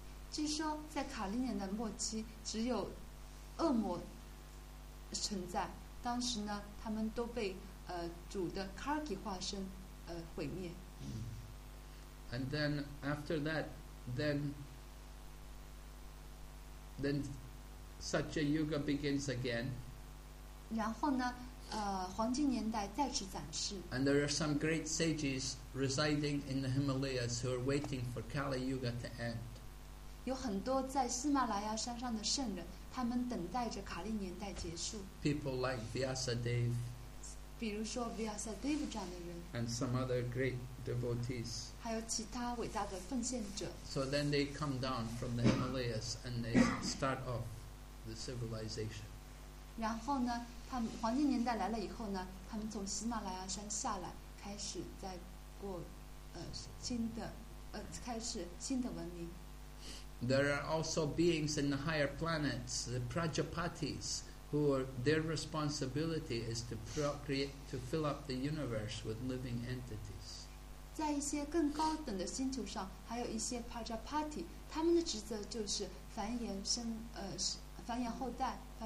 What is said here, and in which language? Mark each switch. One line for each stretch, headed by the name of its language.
Chinese: 据说在卡利年的末期，只有恶魔存在。当时呢，他们都被主的Kalki化身毁灭。
English: And then after that, then. Satya Yuga begins again.
Chinese: 然后呢, 黄金年代再次展示。
English: And there are some great sages residing in the Himalayas who are waiting for Kali Yuga to end.
Chinese: 有很多在喜马拉雅山上的圣人, 他们等待着卡利年代结束。
English: People like Vyasadev.
Chinese: 比如说Vyasadev这样的人。
English: And some other great devotees.
Chinese: 还有其他伟大的奉献者。
English: So then they come down from the Himalayas and they start off. The civilization.
Chinese: 然后呢, 他们黄金年代来了以后呢, 他们从喜马拉雅山下来, 开始再过, 新的, 开始新的文明。
English: There are also beings in the higher planets, the Prajapatis, their responsibility is to procreate, to fill up the universe with living entities.
Chinese: 在一些更高等的星球上, 还有一些 Prajapati, 他们的职责就是繁衍生, 繁衍后代,